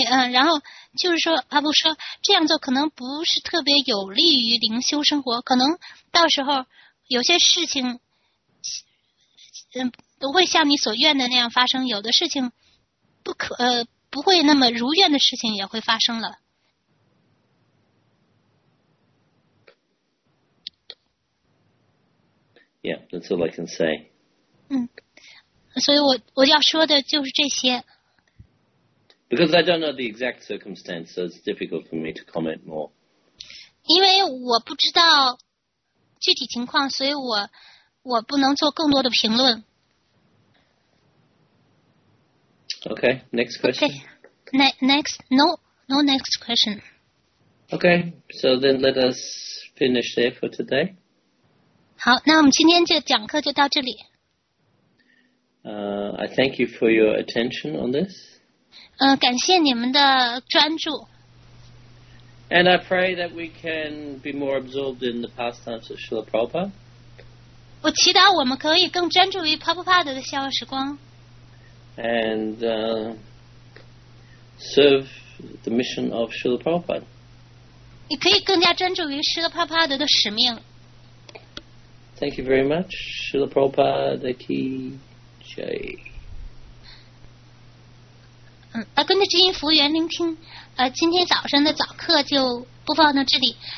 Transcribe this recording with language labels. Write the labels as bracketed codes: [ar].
[zh] 然后就是说阿布说这样做可能不是特别有利于灵修生活，可能到时候有些事情不会像你所愿的那样发生，有的事情不会那么如愿的事情也会发生了。 [en] Yeah, that's all I can say. [zh] 所以我要说的就是这些。 [en] Because I don't know the exact circumstances, so it's difficult for me to comment more. [zh] 因为我不知道具体情况，所以我不能做更多的评论。 [en] Okay, next question. Okay, no next question. Okay, so then let us finish there for today. [zh] 好，那我们今天这讲课就到这里。 [en] I thank you for your attention on this. [zh] 感谢你们的专注。 [en] And I pray that we can be more absorbed in the pastimes of Srila Prabhupada. [zh] 我祈祷我们可以更专注于 Prabhupada 的逍遥时光。 [en] And serve the mission of Srila Prabhupada. [zh] 你可以更加专注于 Srila Prabhupada 的使命。 [en] Thank you very much, Srila Prabhupada Ki Jai. [zh] 跟着知音服务员聆听今天早上的早课就播放到这里。